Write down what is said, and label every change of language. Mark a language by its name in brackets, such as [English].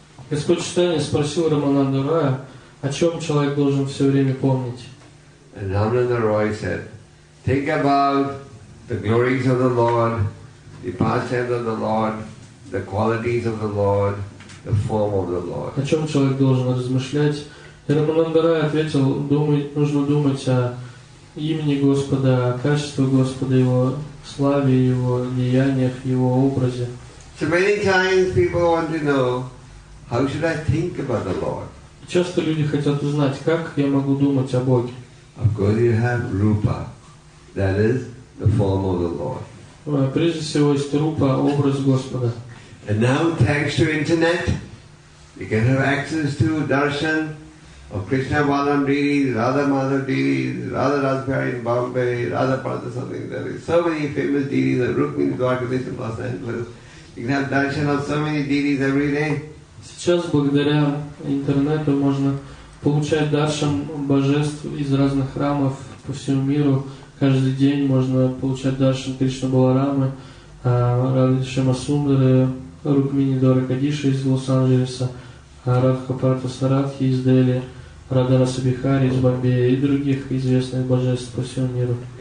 [Russian] Господь Читания спросил Рамананда Роя, о чем человек должен все время помнить. [English] And Ramananda Roy said, think about the glories of the Lord, the pastimes of the Lord, the qualities of the Lord, the form of the Lord. [Russian] О чем человек должен размышлять? Рамананда Рай ответил, нужно думать о имени Господа, о качестве Господа, Его славе, Его деяниях, Его образе. [English] So many times people want to know, how should I think about the Lord? [Russian] Часто люди хотят узнать, как я могу думать о Боге. [English] Of course you have Rupa, that is the form of the Lord. [Russian] Прежде всего есть рупа, образ Господа. [English] And now, thanks to internet, you can have access to darshan of Krishna Balaram Devi, Radha Madhav Devi, Radha Raspari in Bombay, Radha Partha something. There is so many famous deities, the Rukmini Dwarkadish in Los Angeles. You can have darshan of so many deities every day. [Russian] Сейчас благодаря интернету можно получать даршан божеств из разных храмов по всему миру. Каждый день можно получать даршан Кришна Баларамы, Радхи Шамасундары, Рукмини Дваракадиши из Лос-Анджелеса, Радха Парта Сарадхи из Дели, Радараса Бихари из Бомбея и других известных божеств по всему миру.